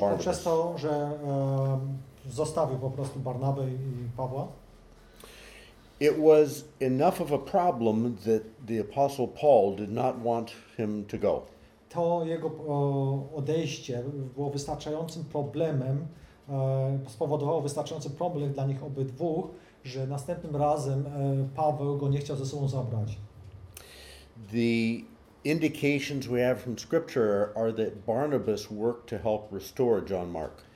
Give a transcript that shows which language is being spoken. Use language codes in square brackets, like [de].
[pl] Poprzez to, że zostawił po prostu Barnabę i Pawła. [en] It was enough of a problem that the apostle Paul did not want him to go. [pl] To jego odejście było wystarczającym problemem, spowodowało wystarczający problem dla nich obydwóch, że następnym razem Paweł go nie chciał ze sobą zabrać. [en] The indications we have from scripture are that Barnabas worked to help restore John Mark.